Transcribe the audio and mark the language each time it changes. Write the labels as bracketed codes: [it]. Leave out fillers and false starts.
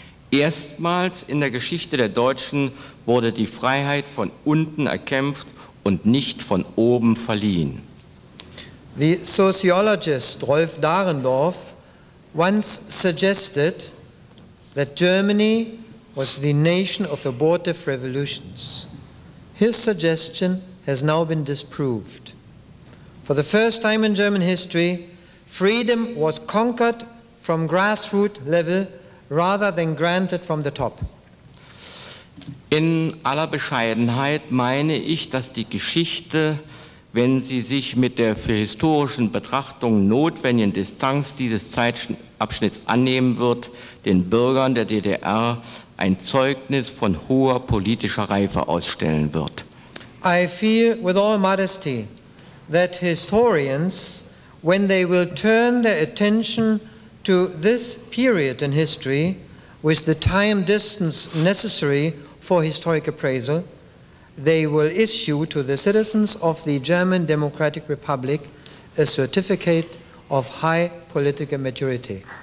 [de] Erstmals in der Geschichte der Deutschen wurde die Freiheit von unten erkämpft und nicht von oben verliehen. [en] The sociologist Rolf Dahrendorf once suggested that Germany was the nation of abortive revolutions. His suggestion has now been disproved. For the first time in German history, freedom was conquered from grassroots level rather than granted from the top. [de] In aller Bescheidenheit meine ich, dass die Geschichte, wenn sie sich mit der für historischen Betrachtung notwendigen Distanz dieses Zeitabschnitts annehmen wird, den Bürgern der DDR ein Zeugnis von hoher politischer Reife ausstellen wird. [en] I feel with all modesty that historians, when they will turn their attention to this period in history with the time distance necessary for historic appraisal, they will issue to the citizens of the German Democratic Republic a certificate of high political maturity.